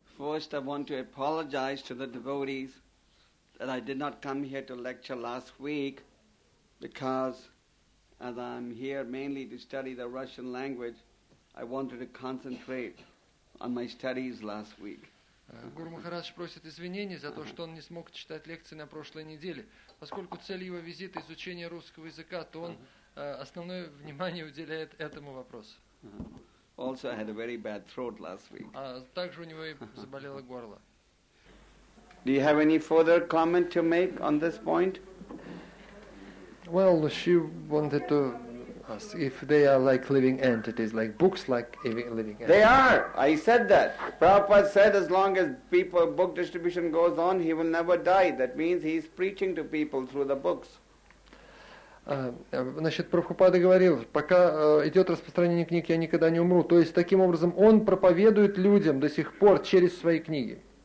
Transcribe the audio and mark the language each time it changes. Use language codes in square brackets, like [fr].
[en] first, I want to apologize to the devotees that I did not come here to lecture last week, because as I'm here mainly to study the Russian language, I wanted to concentrate on my studies last week. [ru] Гуру Махарадж просит извинений за то, что он не смог читать лекции на прошлой неделе. Поскольку цель его визита – изучение русского языка, то он основное внимание уделяет этому вопросу. [en] Also, I had a very bad throat last week. [ru] Также у него и заболело горло. [en] Do you have any further comment to make on this point? Well, she wanted to ask if they are like living entities, like books like living entities. They are! I said that. Prabhupada said as long as people book distribution goes on, he will never die. That means he is preaching to people through the books. [ru] Значит, Прабхупада говорил, пока идет распространение книг, я никогда не умру. То есть, таким образом, он проповедует людям до сих пор через свои книги.